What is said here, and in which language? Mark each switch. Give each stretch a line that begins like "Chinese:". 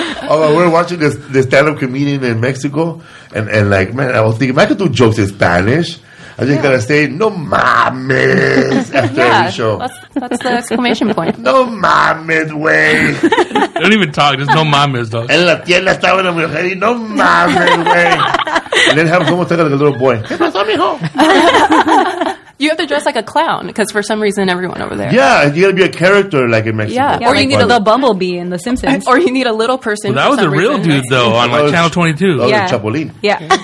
English: Oh, we were watching this stand-up comedian in Mexico, and like, man, I was thinking, if I could do jokes in Spanish, I just gotta say,
Spanish: no mames,
English: after every show. That's the exclamation point.
Spanish: No mames, güey.
English: Don't even talk, just
Spanish: no mames,
English: dog.
Spanish: En la tienda estaba la mujer y no mames, güey.
English: And then have someone take like a little boy. You have to dress like a clown because for some reason everyone over there. Yeah, you got to be a character like in Mexico. Yeah. Or you need a little bumblebee in The Simpsons. Or you need a little person. Well, that was a real dude though on like Channel 22. That was Chapolin. Yeah.